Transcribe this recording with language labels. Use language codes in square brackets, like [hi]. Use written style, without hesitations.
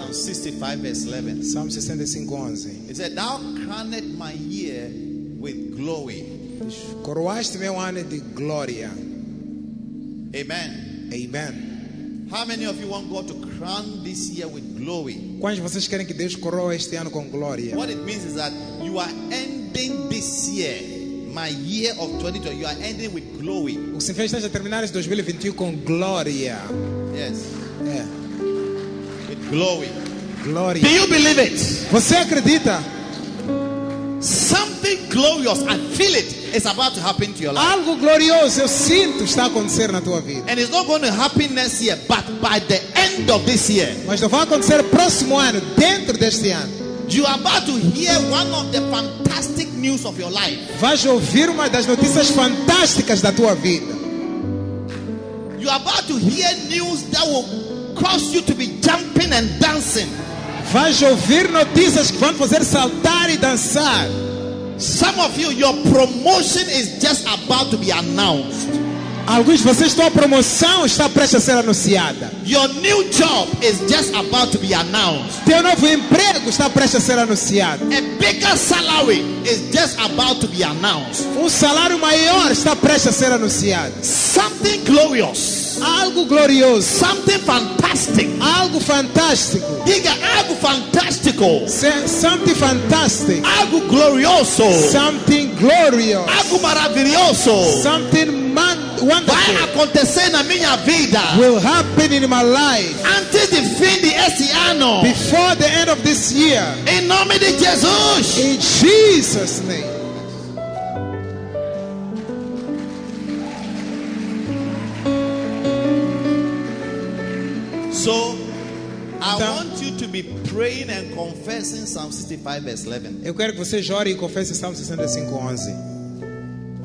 [en] Psalm 65 verse 11. Psalm 65:11. It said, "Thou crowned my year with glory." [pt] Coroaste meu ano de glória. Amen. Amen. [en] How many of you want God to crown this year with glory? [pt] Quantos de vocês querem que Deus coroa este ano com glória? [en] What it means is that you are ending this year. My year of 2020, you are ending with glory. [pt] O Senhor está a terminar este 2021 com glória. [en] Yes. Yeah. With glory. Glory. Do you believe it? [pt] Você acredita? [en] Something glorious, I feel it, is about to happen to your life. [pt] Algo glorioso eu sinto está a acontecer na tua vida. [en] And it's not going to happen next year, but by the end of this year. [pt] Mas não vai acontecer próximo ano, dentro deste ano. [en] You are about to hear one of the fantastic news of your life. [pt] Vais ouvir uma das notícias fantásticas da tua vida. [en] You are about to hear news that will cause you to be jumping and dancing. [pt] Vais ouvir notícias que vão fazer saltar e dançar. [en] Some of you, your promotion is just about to be announced. [pt] Alguns de vocês, tua promoção está prestes a ser anunciada. [en] Your new job is just about to be announced. [pt] Teu novo emprego está prestes a ser anunciado. [en] A bigger salary is just about to be announced. [pt] Salário maior está prestes a ser anunciado. [en] Something glorious. [pt] Algo glorioso. [en] Something fantastic. [pt] Algo fantástico. Diga algo fantástico. [en] Something fantastic. [pt] Algo glorioso. [en] Something glorious. [pt] Algo maravilhoso. [en] Something wonderful. [pt] Vai acontecer na minha vida. [en] Will happen in my life. Until the [pt] fim deste ano. [en] Before the end of this year. [pt] Em nome de Jesus. [en] In Jesus' name. So, want you to be praying and confessing Psalm 65 verse 11. [pt] Eu quero que você ore e confesse Psalm 65:11.